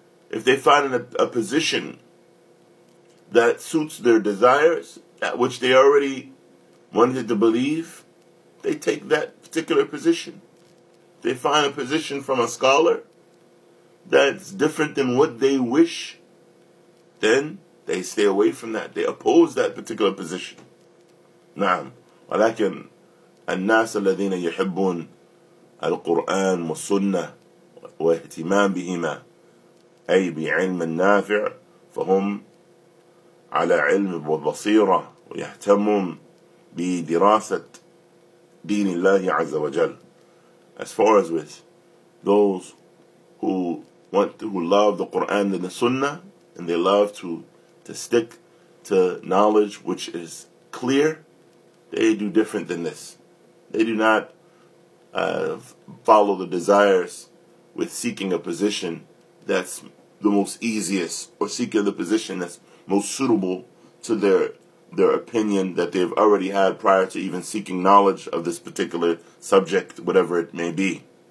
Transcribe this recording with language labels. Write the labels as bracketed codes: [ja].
[en] If they find a position that suits their desires, at which they already wanted to believe, they take that particular position. They find a position from a scholar that's different than what they wish, then they stay away from that. They oppose that particular position. [ar] نعم. ولكن الناس الذين يحبون القرآن والسنة واهتمام بهما أي بعلم النافع فهم على علم والبصيرة ويهتمون بدراسة دين الله عز وجل. [en] As far as with those who love the Quran and the Sunnah, and they love to stick to knowledge which is clear, they do different than this. They do not follow the desires with seeking a position that's the most easiest, or seeking the position that's most suitable to their opinion that they've already had prior to even seeking knowledge of this particular subject, whatever it may be.